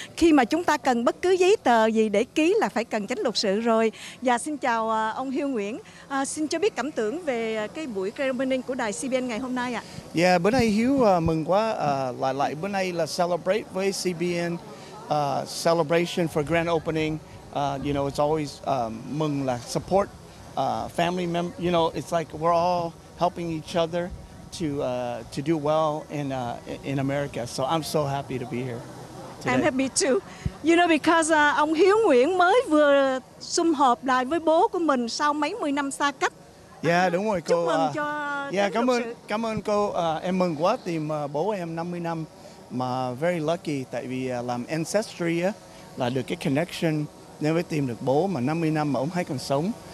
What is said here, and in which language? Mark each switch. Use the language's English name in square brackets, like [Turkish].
[Vietnamese] Khi mà chúng ta cần bất cứ giấy tờ gì để ký là phải cần chánh luật sự rồi. Và xin chào ông Hiêu Nguyễn, xin cho biết cảm tưởng về cái buổi grand opening của đài CBN ngày hôm nay ạ. Bữa nay Hiếu mừng quá, lại bữa nay là celebrate với CBN, [English] celebration for grand opening. You know, it's always [Vietnamese] mừng là [English] support family member, you know, it's like we're all helping each other to do well in America. So I'm so happy to be here today. I'm happy too. You know, because [Vietnamese] ông Hiếu Nguyễn mới vừa sum họp lại với bố của mình sau mấy mươi năm xa cách. Yeah, đúng rồi cô. Chúc mừng cho. Cảm ơn cô. Em mừng quá tìm bố em 50 năm mà [English] very lucky [Vietnamese] tại vì làm ancestry là được cái connection nên mới tìm được bố mà 50 năm mà ông hay còn sống.